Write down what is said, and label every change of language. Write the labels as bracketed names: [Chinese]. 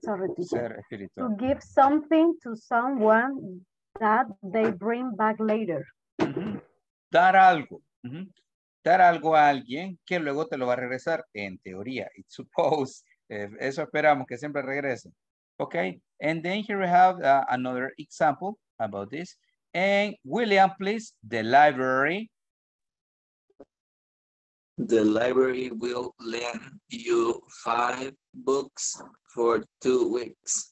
[English] To give something to someone that they bring back later. [Spanish] Dar algo. Dar algo a alguien que luego te lo va a regresar, en teoría. [English] It's supposed, [Spanish] eso esperamos que siempre regrese. [English] Ok, and then here we have another example about this. And William, please, the library. The library will lend you 5 books for 2 weeks.